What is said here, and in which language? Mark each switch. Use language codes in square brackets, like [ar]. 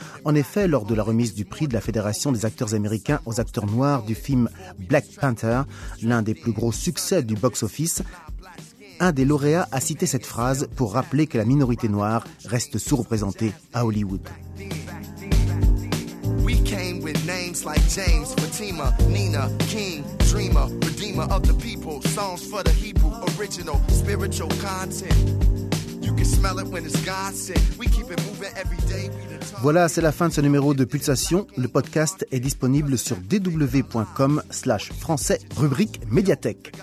[fr] En effet, lors de la remise du prix de la Fédération des acteurs américains aux acteurs noirs du film « Black Panther », l'un des plus gros succès du box-office, un des lauréats a cité cette phrase pour rappeler que la minorité noire reste sous-représentée à Hollywood. [en] We came with names like James, Fatima, Nina, King, Dreamer, Redeemer of the people. Songs for the Hebrew, original, spiritual content. You can smell it when it's God sent. We keep it moving every day. [fr] Voilà, c'est la fin de ce numéro de Pulsation. Le podcast est disponible sur dw.com/français/médiathèque.